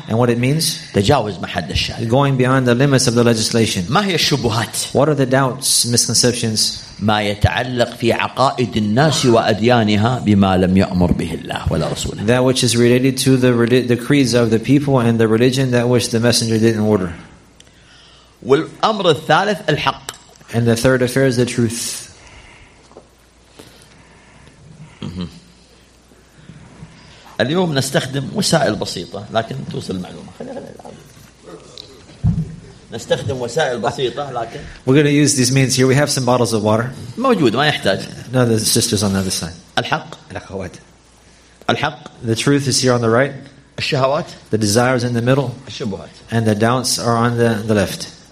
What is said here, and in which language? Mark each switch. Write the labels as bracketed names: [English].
[English] And what it means? [Arabic] تجاوز محد الشرع. [English] Going beyond the limits of the legislation. [Arabic] ما هي الشبهات؟ [English] What are the doubts, misconceptions? [Arabic] ما يتعلق في عقائد الناس وأديانها بما لم يأمر به الله ولا رسوله. [English] That which is related to the creeds of the people and the religion that which the messenger didn't order. [Arabic] والأمر الثالث الحق. [English] And the third affair is the truth. [Arabic] اليوم نستخدم وسائل بسيطة لكن توصل المعلومة. نستخدم وسائل بسيطة لكن. [English] We're going to use these means here. We have some bottles of water. [Arabic] موجود ما يحتاج. [English] No, the sisters on the other side. [Arabic] الحق. الأخوات. الحق. [English] The truth is here on the right. [Arabic] الشهوات. [English] The desires in the middle. [Arabic] الشبهات. [English] And the doubts are on the left.